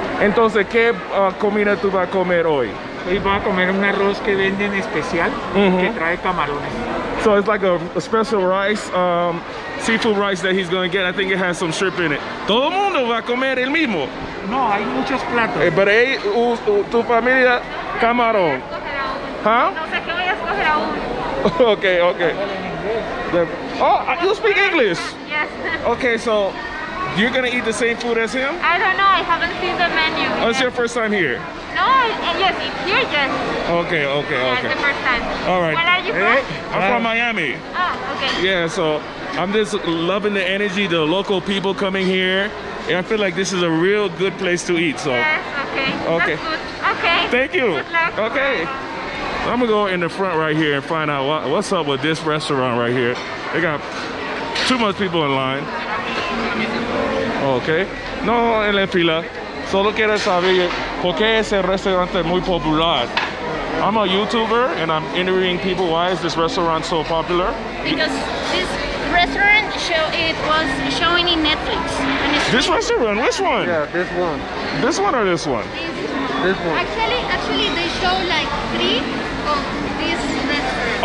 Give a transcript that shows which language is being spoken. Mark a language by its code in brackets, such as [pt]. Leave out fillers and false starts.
[es] Entonces, ¿qué comida tú vas a comer hoy? Hoy voy a comer un arroz que venden especial, que trae camarones. [en] So it's like a special rice, seafood rice that he's going to get. I think it has some shrimp in it. [es] ¿Todo el mundo va a comer el mismo? No, hay muchos platos. Pero hey, tu familia, camarón. ¿Huh? No sé qué voy a escoger aún. [en] Okay, okay. Oh, you speak English? Yes. Okay, so you're going to eat the same food as him? I don't know. I haven't seen the menu. Oh, it's your first time here? No, yes, it's here, yes. Okay, okay, okay. Yeah, it's the first time. All right. Where are you from? I'm from Miami. Oh, okay. Yeah, so I'm just loving the energy, the local people coming here. And I feel like this is a real good place to eat, so. Yes, okay. Okay. That's good. Okay. Thank you. Good luck. Okay. Bye. I'm gonna go in the front right here and find out what's up with this restaurant right here. They got too much people in line. Okay. [es] No, en la fila. Solo quiero saber por qué ese restaurante muy popular. [en] I'm a YouTuber and I'm interviewing people. Why is this restaurant so popular? Because this restaurant show it was showing in Netflix. This restaurant? Which one? Yeah, this one. This one or this one? Actually, they show like three of this restaurant.